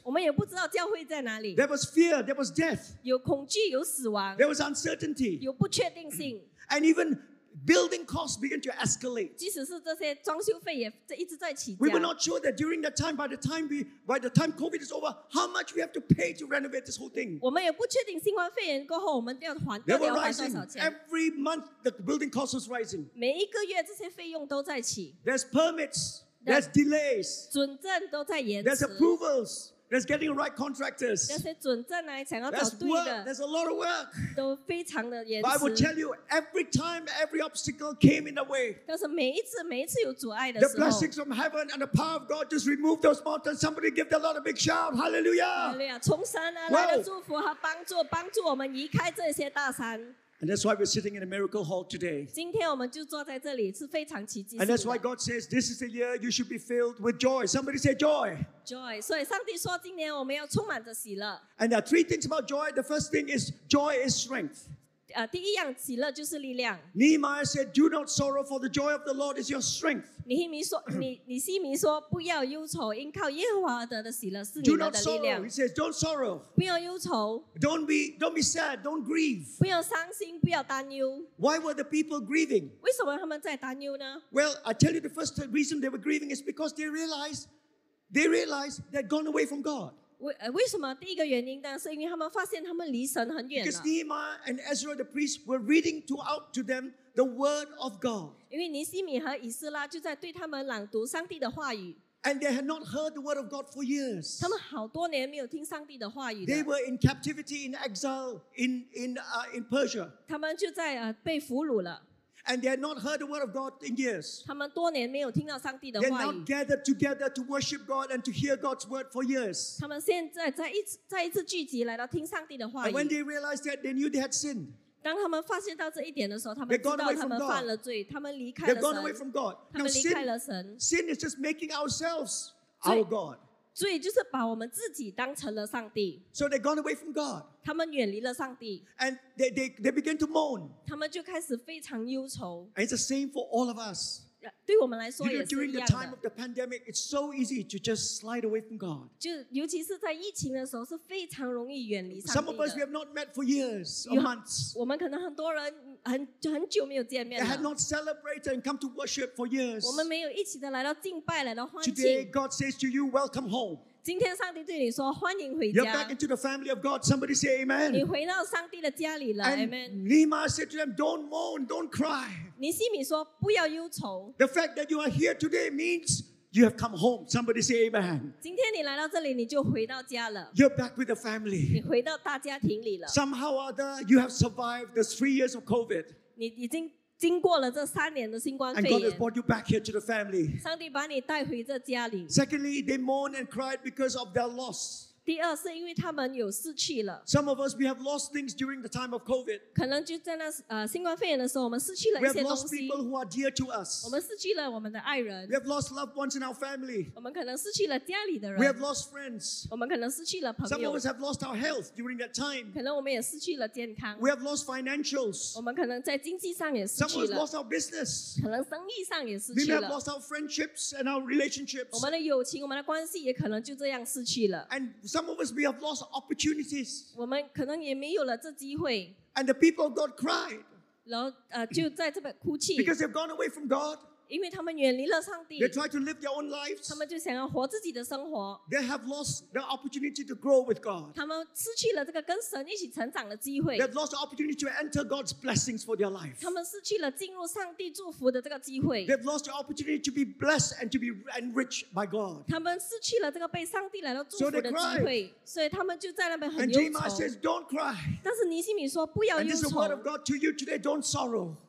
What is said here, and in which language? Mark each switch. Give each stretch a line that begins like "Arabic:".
Chinese: 我们也不知道教会在哪里,
English: there was fear, there was death,
Chinese: 有恐惧, 有死亡,
English: there was uncertainty,
Chinese: 有不确定性,
English: and even building costs began to escalate.
Chinese: 即使是这些装修费也一直在起价。
English: We were not sure that during that time, by the time COVID is over, how much we have to pay to renovate this whole thing.
Chinese: 我们也不确定新冠肺炎过后我们要还,
English: they were rising. Every month the building cost was rising.
Chinese: 每一个月这些费用都在起。
English: There's permits, there's delays,
Chinese: 准证都在延迟,
English: there's approvals, there's getting the right contractors,
Chinese: 那些准证来想要找对的,
English: there's a lot of work,
Chinese: 都非常的延迟,
English: but I will tell you, every time every obstacle came in the way,
Chinese: 但是每一次有阻碍的时候,
English: the blessings from heaven and the power of God just removed those mountains. Somebody give the Lord a big shout, hallelujah,
Chinese: 从神而来的祝福和帮助, 帮助我们移开这些大山。
English: And that's why we're sitting in a miracle hall today. And that's why God says, this is the year you should be filled with joy. Somebody say joy. Joy.
Chinese: 所以上帝说今年我们要充满着喜乐.
English: And there are three things about joy. The first thing is joy is strength.
Chinese: 第一样喜乐就是力量.
English: Nehemiah said, do not sorrow, for the joy of the Lord is your strength.
Chinese: 你西米说不要忧愁，因靠耶和华得的喜乐是你的力量.
English: Do not sorrow. He says, don't sorrow.
Chinese: 不要忧愁.
English: Don't be sad. Don't grieve.
Chinese: 不要伤心，不要担忧.
English: Why were the people grieving?
Chinese: 为什么他们在担忧呢?
English: Well, I tell you, the first reason they were grieving is because they realized they'd gone away from God.
Chinese: 为什么第一个原因呢？是因为他们发现他们离神很远了。
English: Because Nehemiah and Ezra the priest were reading out to them the word of God.
Chinese: 因为尼西米和以斯拉就在对他们朗读上帝的话语。
English: And they had not heard the word of God for years.
Chinese: 他们好多年没有听上帝的话语。
English: They were in captivity, in exile, in Persia.
Chinese: 他们就在被俘虏了。
English: And they had not heard the word of God in years. They had not gathered together to worship God and to hear God's word for years. And when they realized that, they knew they had sinned. They've gone away from God. They've gone away from God. Now, sin is just making ourselves our God. So they've gone away from God. And they begin to moan. And it's the same for all of us. You know, during the time of the pandemic, it's so easy to just slide away from God. Some of us, we have not met for years or months. We have not met They had not celebrated and come to worship for years.
Chinese: 我们没有一起的来到敬拜，来到欢庆。
English: Today, God says to you, welcome home.
Chinese: 今天上帝对你说, 欢迎回家。
English: You're back into the family of God. Somebody say amen.
Chinese: 你回到上帝的家里了,
English: and Nehemiah said to them, don't moan, don't cry.
Chinese: 尼西米说不要忧愁。
English: The fact that you are here today means you have come home. Somebody say amen.
Chinese: 今天你来到这里, 你就回到家了。
English: You're back with the family.
Chinese: 你回到大家庭里了。
English: Somehow or other, you have survived the 3 years of COVID.
Chinese: 你已经经过了这三年的新冠肺炎。
English: And God has brought you back here to the family.
Chinese: 上帝把你带回这家里。
English: Secondly, they mourn and cried because of their loss.
Chinese: 第二是因为他们有失去了。
English: Some of us, we have lost things during the time of COVID.
Chinese: 可能就在那新冠肺炎的时候，我们失去了一些东西。
English: We have lost people who are dear to us.
Chinese: 我们失去了我们的爱人。
English: We have lost loved ones in our family.
Chinese: 我们可能失去了家里的人。
English: We have lost friends.
Chinese: 我们可能失去了朋友。
English: Some of us have lost our health during that time.
Chinese: 可能我们也失去了健康。
English: We have lost financials.
Chinese: 我们可能在经济上也失去了。
English: Some of us lost our business.
Chinese: 可能生意上也失去了。
English: We may have lost our friendships and our relationships.
Chinese: 我们的友情，我们的关系也可能就这样失去了。
English: And some of us, we have lost opportunities.
Chinese: 我们可能也没有了这机会。
English: And the people of God cried.
Chinese: 然后就在这边哭泣。
English: Because they've gone away from God.
Chinese: 因为他们远离了上帝。
English: They try to live their own lives.
Chinese: 他们就想要活自己的生活。
English: They have lost the opportunity to grow with God.
Chinese: 他们失去了这个跟神一起成长的机会。
English: They've lost the opportunity to enter God's blessings for their life.
Chinese: 他们失去了进入上帝祝福的这个机会。
English: They've lost the opportunity to be blessed and to be enriched by God.
Chinese: 他们失去了这个被上帝来到祝福的机会。
English: So they cried.
Chinese: 所以他们就在那边很忧愁。
English: And Jeremiah says, don't cry.
Chinese: 但是尼西米说不要忧愁。
English: And this is the word of God to you today, don't sorrow.